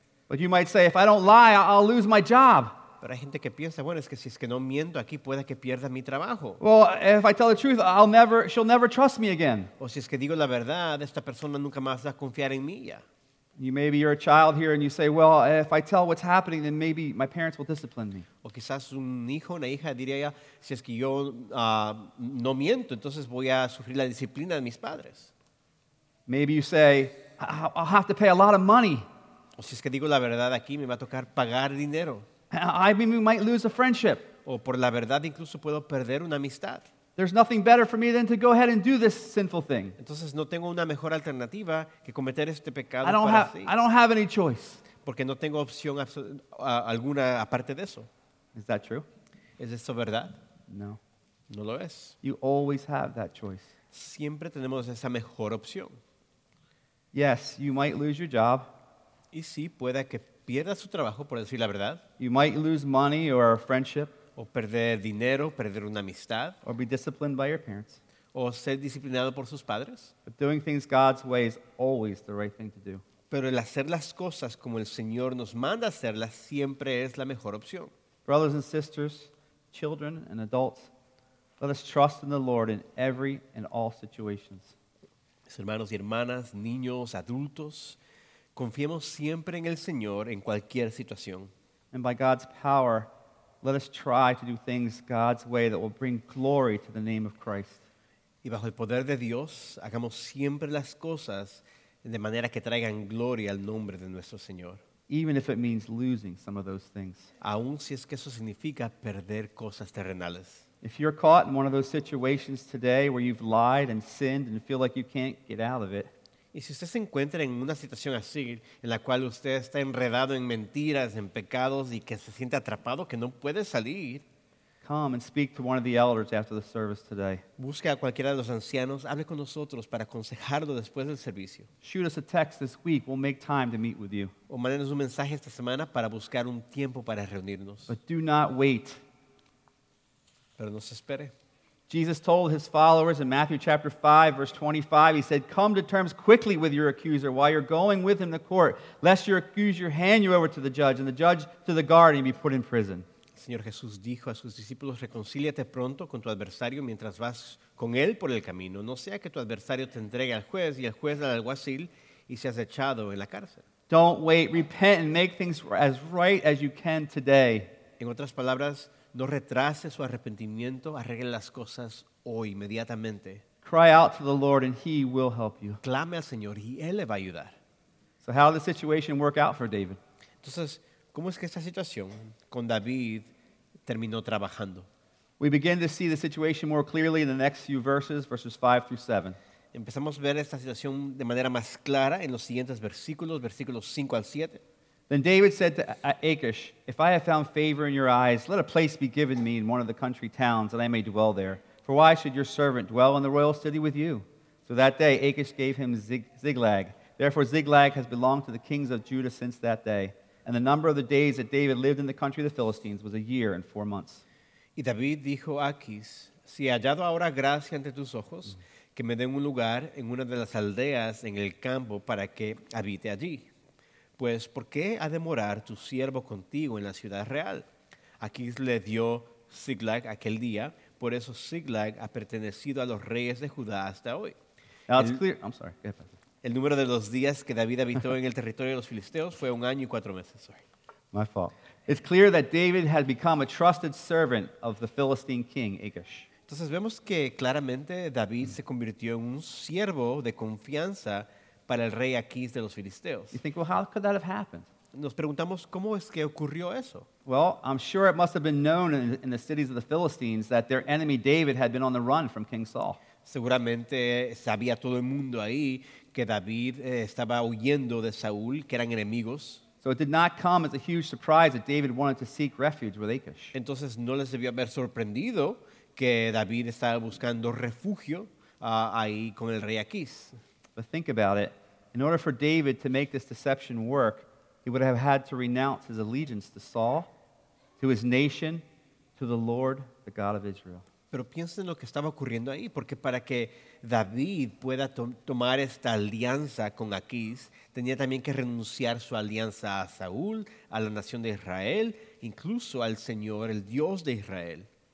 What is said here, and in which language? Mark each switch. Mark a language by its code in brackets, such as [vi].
[en] But you might say, if I don't lie, I'll lose my job. [es] Pero hay gente que piensa, bueno, es que si es que no miento aquí, puede que pierda mi trabajo. [en] Well, if I tell the truth, she'll never trust me again. [es] O si es que digo la verdad, esta persona nunca más va a confiar en mí ya. [en] Maybe you're a child here and you say, well, if I tell what's happening, then maybe my parents will discipline me. [es] O quizás un hijo, una hija diría ya, si es que yo no miento, entonces voy a sufrir la disciplina de mis padres. [en] Maybe you say, I'll have to pay a lot of money. [es] O si es que digo la verdad aquí, me va a tocar pagar dinero. [en] I mean, we might lose a friendship. [es] O por la verdad, incluso puedo perder una amistad. [en] There's nothing better for me than to go ahead and do this sinful thing. [es] Entonces, no tengo una mejor alternativa que cometer este pecado. [en] I don't have any choice. [es] Porque no tengo opción alguna aparte de eso. [en] Is that true? [es] ¿Es eso verdad? [en] No. [es] No lo es. [en] You always have that choice. [es] Siempre tenemos esa mejor opción. [en] Yes, you might lose your job. [es] Y sí, pueda que pierda su trabajo, por decir la verdad. [en] You might lose money or a friendship. [es] O perder dinero, perder una amistad. [en] Or be disciplined by your parents. [es] O ser disciplinado por sus padres. [en] But doing things God's way is always the right thing to do. [es] Pero el hacer las cosas como el Señor nos manda hacerlas siempre es la mejor opción. [en] Brothers and sisters, children and adults, let us trust in the Lord in every and all situations. [es] Mis hermanos y hermanas, niños, adultos, confiemos siempre en el Señor en cualquier situación. [en] And by God's power, let us try to do things God's way that will bring glory to the name of Christ. [es] Y bajo el poder de Dios, hagamos siempre las cosas de manera que traigan gloria al nombre de nuestro Señor. [en] Even if it means losing some of those things. [es] Aun si es que eso significa perder cosas terrenales. [en] If you're caught in one of those situations today where you've lied and sinned and feel like you can't get out of it, [es] y si usted se encuentra en una situación así, en la cual usted está enredado en mentiras, en pecados, y que se siente atrapado, que no puede salir, [en] come and speak to one of the elders after the service today. [es] Busque a cualquiera de los ancianos, hable con nosotros para aconsejarlo después del servicio. [en] Shoot us a text this week, we'll make time to meet with you. [es] O mándenos un mensaje esta semana para buscar un tiempo para reunirnos. [en] But do not wait. [es] Pero no se espere. [en] Jesus told his followers in Matthew chapter 5, verse 25, he said, come to terms quickly with your accuser while you're going with him to court, lest your accuser hand you over to the judge, and the judge to the guard, and be put in prison. [es] Señor Jesús dijo a sus discípulos, reconcíliate pronto con tu adversario mientras vas con él por el camino. No sea que tu adversario te entregue al juez y el juez al alguacil y seas echado en la cárcel. [en] Don't wait. Repent and make things as right as you can today. [es] En otras palabras, no retrases su arrepentimiento. Arregle las cosas hoy, inmediatamente. [en] Cry out to the Lord and He will help you. [es] Clame al Señor y Él le va a ayudar. [en] So how did the situation work out for David? [es] Entonces, ¿cómo es que esta situación con David terminó trabajando? [en] We begin to see the situation more clearly in the next few verses, verses 5 through 7. [es] Empezamos a ver esta situación de manera más clara en los siguientes versículos, versículos 5 al 7. [en] Then David said to Achish, "If I have found favor in your eyes, let a place be given me in one of the country towns that I may dwell there. For why should your servant dwell in the royal city with you?" So that day Achish gave him Ziklag. Therefore Ziklag has belonged to the kings of Judah since that day. And the number of the days that David lived in the country of the Philistines was a year and 4 months. [es] Y David dijo a Achish, "Si he hallado ahora gracia ante tus ojos, que me den un lugar en una de las aldeas en el campo para que habite allí. Pues, ¿por qué ha de morar tu siervo contigo en la ciudad real?" Achish le dio Ziklag aquel día, por eso Ziklag ha pertenecido a los reyes de Judá hasta hoy. [en] Now it's clear. I'm sorry. Go ahead. [es] El número de los días que David habitó en el territorio de los filisteos fue un año y cuatro meses. [en] Sorry. My fault. It's clear that David had become a trusted servant of the Philistine king, Achish. [es] Entonces vemos que claramente David se convirtió en un siervo de confianza para el rey Achish de los filisteos. [en] You think, well, how could that have happened? [es] Nos preguntamos, ¿cómo es que ocurrió eso? [en] Well, I'm sure it must have been known in the cities of the Philistines that their enemy David had been on the run from King Saul. [es] Seguramente sabía todo el mundo ahí que David estaba huyendo de Saúl, que eran enemigos. [en] So it did not come as a huge surprise that David wanted to seek refuge with Achish. [es] Entonces no les debió haber sorprendido que David estaba buscando refugio ahí con el rey Achish. [en] But think about it. In order for David to make this deception work, he would have had to renounce his allegiance to Saul, to his nation, to the Lord, the God of Israel. [es] Pero piensen en lo que estaba ocurriendo ahí, porque para que David pueda tomar esta alianza con Achish, tenía también que renunciar su alianza a Saúl, a la nación de Israel, incluso al Señor, el Dios de Israel.